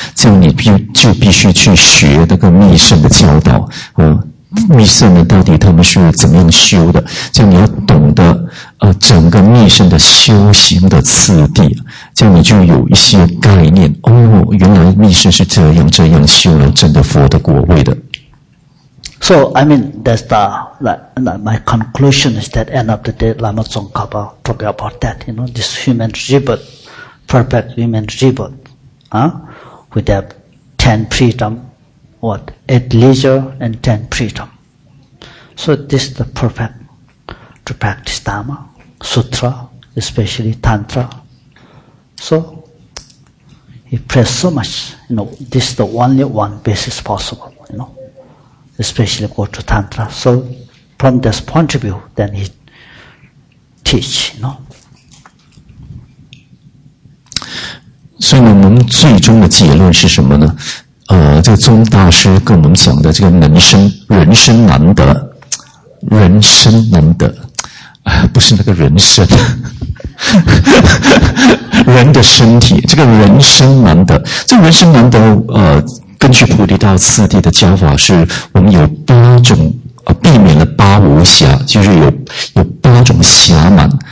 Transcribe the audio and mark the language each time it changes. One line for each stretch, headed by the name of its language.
Chinese: 这样你必须去学那个密圣的教导啊。密圣呢，到底他们是怎么样修的？这样你要懂得整个密圣的修行的次第，这样你就有一些概念。哦，原来密圣是这样修来证得佛的果位的。
English: So I mean that's my conclusion is that end of the day, Lama Tsongkhapa talking about that, you know, this human rebirth. Perfect human rebirth, with that 10 freedom, what? 8 leisure and 10 freedom. So this is the perfect to practice Dhamma, Sutra, especially Tantra. So, he prays so much, you know, this is the only one basis possible, you know, especially go to Tantra. So, from this point of view, then he teach, you know,
Chinese: 所以我们最终的结论是什么呢？这个宗大师跟我们讲的这个人生难得，不是那个人生，人的身体，这个人生难得，这人生难得，根据菩提道次第的教法，是我们有八种避免了八无暇，就是有八种暇满。